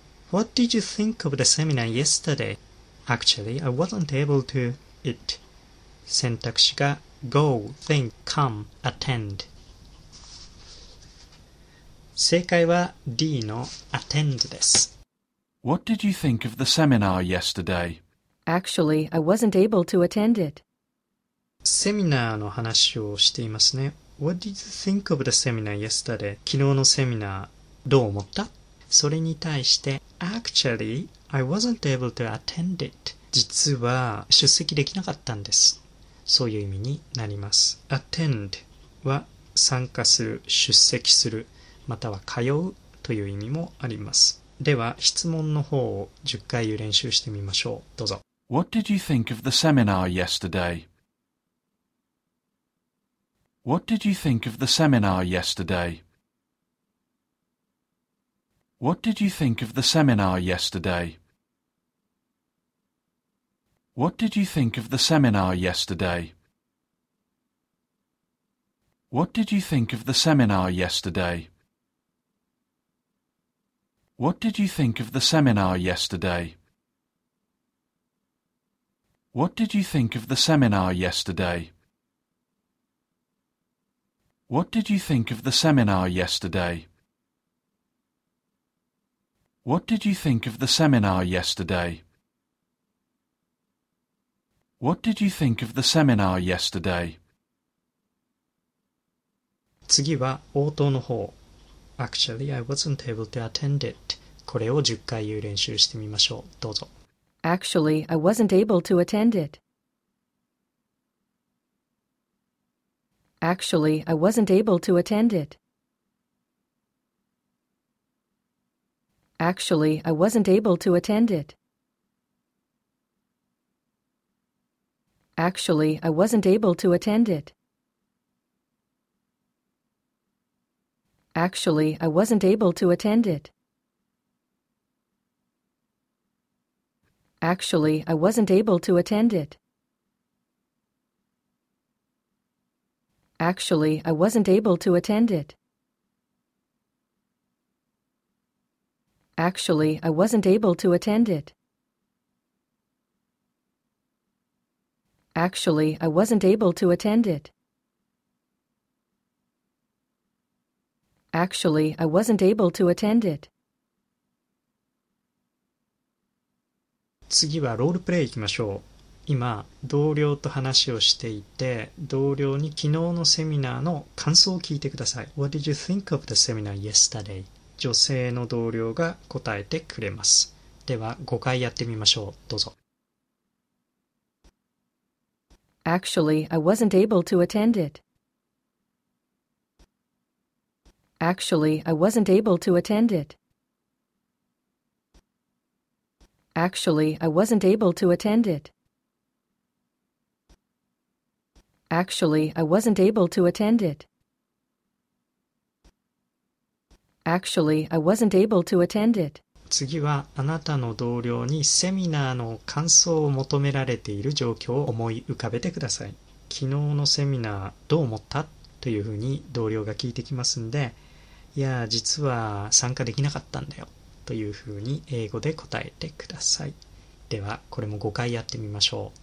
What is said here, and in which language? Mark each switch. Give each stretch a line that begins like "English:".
English: What did you think of the seminar yesterday? Actually, I wasn't able to it.
Japanese: 選択肢が
English: Go, Think, Come, Attend。
Japanese: 正解は D の Attend です。
English: What did you think of the seminar yesterday? Actually, I wasn't able to attend it.
Japanese: セミナーの話をしていますね。
English: What did you think of the seminar yesterday?
Japanese: 昨日のセミナーどう思った？それに対して
English: Actually, I wasn't able to attend it.
Japanese: 実は出席できなかったんです。そういう意味になります。 Attend は参加する、出席する、または通うという意味もあります。では質問の方を10回練習してみましょう。どうぞ。
English: What did you think of the seminar yesterday? What did you think of the seminar yesterday? What did you think of the seminar yesterday? What did you think of the seminar yesterday? What did you think of the seminar yesterday? What did you think of the seminar yesterday? What did you think of the seminar yesterday? What did you think of the seminar yesterday? What did you think of the seminar yesterday? What did you think of the seminar yesterday?
Japanese: 次は応答の方。
English: Actually, I wasn't able to attend it.
Japanese: これを10回練習してみましょう。どうぞ。
English: Actually, I wasn't able to attend it. Actually, I wasn't able to attend it. Actually, I wasn't able to attend it. Actually, I wasn't able to attend it. Actually, I wasn't able to attend it. Actually, I wasn't able to attend it. Actually, I wasn't able to attend it. Actually, I wasn't able to attend it. Actually, I wasn't able to attend it. Actually, I wasn't able to attend it.
Japanese: 次はロールプレイ行きましょう。今同僚と話をしていて、同僚に昨日のセミナーの感想を聞いてください。
English: What did you think of the seminar yesterday?
Japanese: 女性の同僚が答えてくれます。では5回やってみましょう。どうぞ。
English: Actually, I wasn't able to attend it. Actually, I wasn't able to attend it. Actually, I wasn't able to attend it. Actually, I wasn't able to attend it. Actually, I wasn't able to attend it.
Japanese: 次はあなたの同僚にセミナーの感想を求められている状況を思い浮かべてください。昨日のセミナーどう思った？というふうに同僚が聞いてきますんで、いや、実は参加できなかったんだよ。というふうに英語で答えてください。ではこれも5回やってみましょう。